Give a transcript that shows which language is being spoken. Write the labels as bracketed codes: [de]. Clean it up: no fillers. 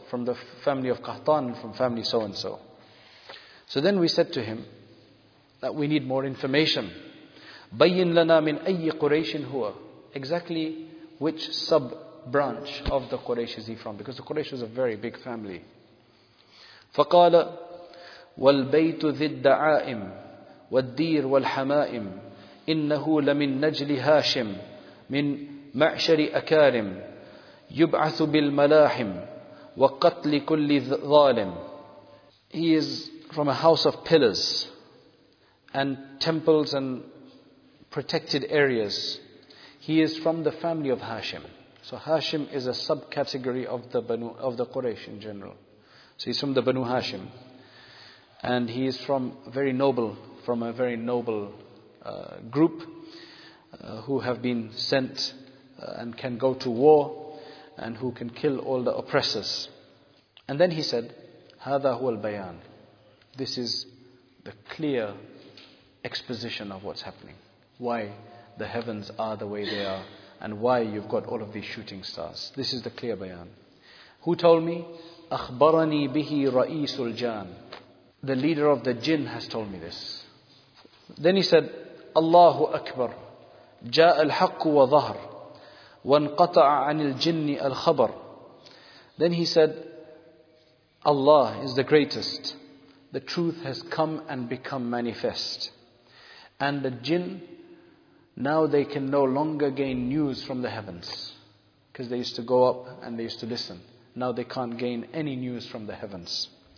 [en] From the family of Qahtan and from family so-and-so. So then we said to him that we need more information. [ar] بَيِّنْ لَنَا مِنْ أَيِّ قُرَيْشٍ هُوَ. [en] Exactly which sub-branch of the Quraysh is he from? Because the Quraysh was a very big family. [ar] فَقَالَ وَالْبَيْتُ ذِي الدَّعَائِمِ والدير والحمائم إنه لمن نجل هاشم من معشر أكارم يبعث بالملاحم وقتل كل ظالم. [en] He is from a house of pillars and temples and protected areas. He is from the family of Hashim. So Hashim is a subcategory of the Banu, of the Quraysh in general. So he's from the Banu Hashim, and he is from very noble. From a very noble group who have been sent and can go to war and who can kill all the oppressors. And then he said, [ar] هَذَا هُوَ الْبَيَانِ. [en] This is the clear exposition of what's happening. Why the heavens are the way they are and why you've got all of these shooting stars. This is the clear bayan. Who told me? [ar] أَخْبَرَنِي بِهِ رَئِيسُ الْجَانِ. [en] The leader of the jinn has told me this. Then he said, [ar] Allahu Akbar, جَاءَ الْحَقُّ وَظَهْرُ وَانْقَطَعَ عَنِ الْجِنِّ الْخَبَرُ. [en] Then he said, Allah is the greatest. The truth has come and become manifest. And the jinn, now they can no longer gain news from the heavens. Because they used to go up and they used to listen. Now they can't gain any news from the heavens.